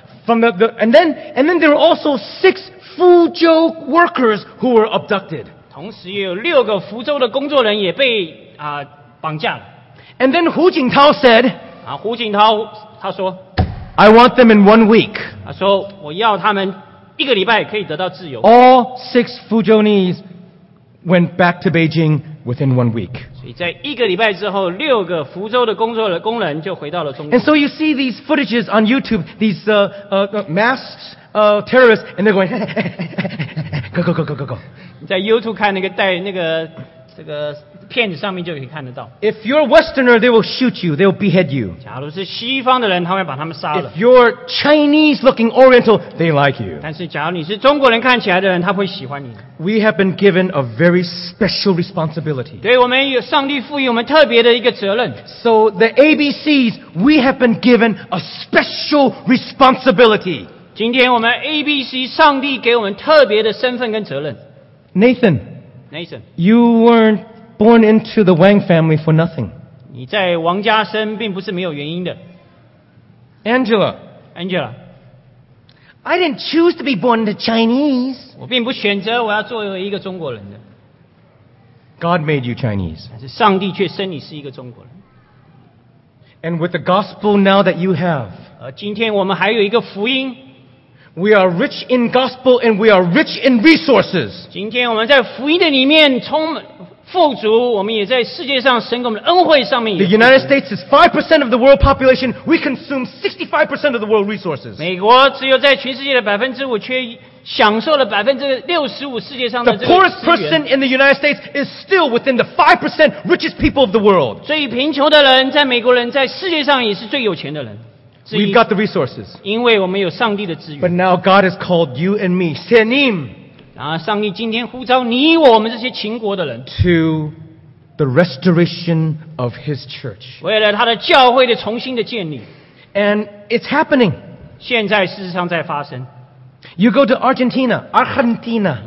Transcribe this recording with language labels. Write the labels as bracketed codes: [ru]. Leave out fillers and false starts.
[en] from the and then there were also six Fu Zhou workers who were abducted. [zh] 同时有六个福州的工作人也被绑架了。 [en] And then Hu Jintao said, [zh] 胡锦涛他说 [en] ，I want them in 1 week. [zh] 他说我要他们一个礼拜可以得到自由。 [en] All six Fu Zhouese went back to Beijing within 1 week. [zh] 所以在一个礼拜之后，六个福州的工人就回到了中国。 [en] And so you see these footages on YouTube, these masked terrorists, and they're going, go go go go go go. [zh] 在 YouTube 看那个带那个这个片子上面就可以看得到。 [en] If you're a Westerner, they will shoot you. They will behead you. [zh] 假如是西方的人，他会把他们杀了。 [en] If you're Chinese-looking Oriental, they like you. [zh] 但是假如你是中国人看起来的人，他会喜欢你。 [en] We have been given a very special responsibility. [zh] 对我们有上帝赋予我们特别的一个责任。 [en] So the ABCs, we have been given a special responsibility. [zh] 今天我们 ABC 上帝给我们特别的身份跟责任。 [en] Nathan, you weren't born into the Wang family for nothing. [zh] 你在王家生并不是没有原因的。 [en] Angela, I didn't choose to be born into Chinese. [zh] 我并不选择我要作为一个中国人的。 [en] God made you Chinese. [zh] 但是上帝却生你是一个中国人。 [en] And with the gospel now that you have, [zh] 今天我们还有一个福音。 [en] We are rich in gospel and we are rich in resources. [zh] 今天我们在福音的里面充满 [en] The United States is 5% of the world population. We consume 65% of the world resources. [zh] 享受了65%世界上的这个资源。 [en] The poorest person in the United States is still within the 5% richest people of the world. [zh] 所以贫穷的人在美国人在世界上也是最有钱的人。 [en] We've got the resources. [zh] 因为我们有上帝的资源。 [en] But now God has called you and me, Tianim, [zh] 然后上帝今天呼召你我们这些秦国的人, [en] to the restoration of His church. [zh] 为了他的教会的重新的建立。 [en] And it's happening. [zh] 现在事实上在发生。 [en] You go to Argentina, Argentina.